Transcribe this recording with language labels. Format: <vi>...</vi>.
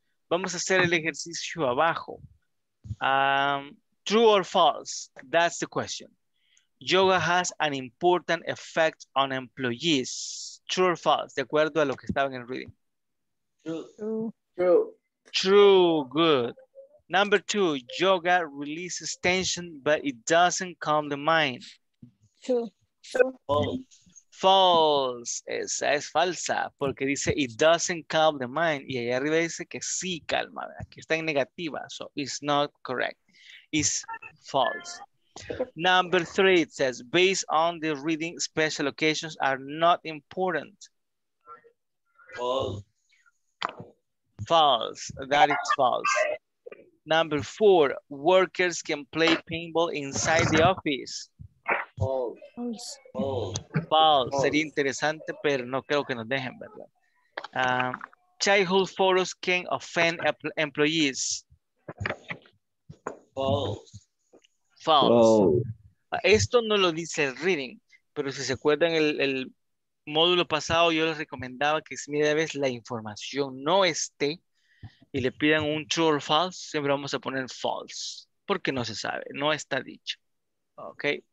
<es>Vamos a hacer el ejercicio abajo.</es> <en>True or false? That's the question. Yoga has an important effect on employees. True or false?</en> <es>De acuerdo a lo que estaba en el reading.</es> <en>True. Good. Number two, yoga releases tension, but it doesn't calm the mind. True. False.</en> <es>Esa es falsa, porque dice</es> <en>it doesn't calm the mind.</en> <es>Y ahí arriba dice que sí calma, ¿verdad? Que está en negativa.</es> <en>So it's not correct. is false. Number three, it says, based on the reading, special occasions are not important. False. That is false. Number four, workers can play paintball inside the office. False.</en> <es>Sería interesante, pero no creo que nos dejen, ¿verdad?</es> <en>Childhood photos can offend employees. False.</en> <es>Esto no lo dice el reading, pero si se acuerdan el módulo pasado, yo les recomendaba que si media vez la información no esté y le pidan un true or false, siempre vamos a poner false, porque no se sabe, no está dicho. Ok.</es>